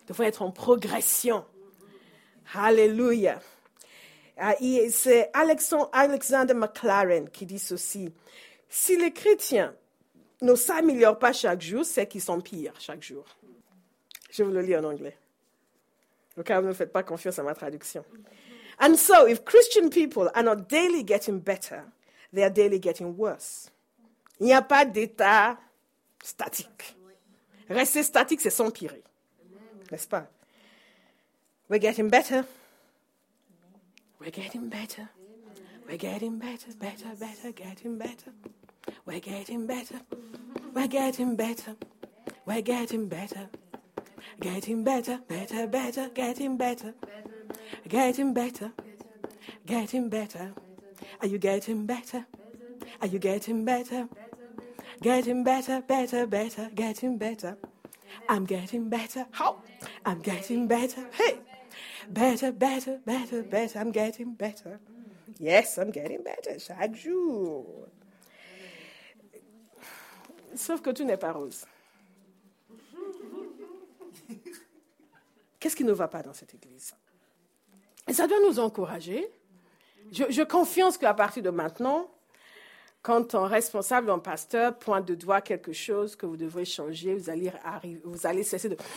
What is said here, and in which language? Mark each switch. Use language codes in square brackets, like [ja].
[fr] Devons être en progression. Alléluia. C'est Alexander McLaren qui dit ceci. Si les chrétiens ne s'améliorent pas chaque jour, c'est qu'ils sont pires chaque jour. Je vous le lis en anglais. Au cas où vous ne faites pas confiance à ma traduction. [en] And so, if Christian people are not daily getting better, they are daily getting worse. [fr] Il n'y a pas d'état statique. Rester statique, c'est s'empirer. N'est-ce pas? [en] We're getting better. We're getting better. We're getting better, better, better, getting better. We're getting better. We're getting better. We're getting better. Getting better, better, better, getting better. Getting better. Getting better. Are you getting better? Are you getting better? Getting better, better, better, getting better. I'm getting better. How? I'm getting better. Hey! Better, better, better, better. I'm getting better. Yes, I'm getting better [fr] chaque jour. Sauf que tout n'est pas rose. Qu'est-ce qui ne va pas dans cette église? Et ça doit nous encourager. Je confiance qu'à partir de maintenant, quand un responsable, un pasteur pointe de doigt quelque chose que vous devrez changer, vous allez cesser de...